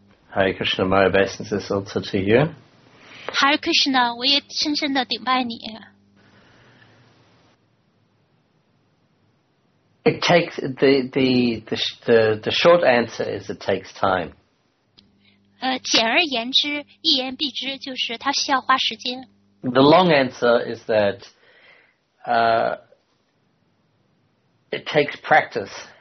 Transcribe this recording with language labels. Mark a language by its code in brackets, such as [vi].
[en] Hare Krishna, my obeisance is also to you. [zh] Hare Krishna, 我也深深的顶拜你。 [en] It takes the short answer is it takes time. [zh] 简而言之，一言蔽之，就是它需要花时间。 [en] The long answer is that it takes practice.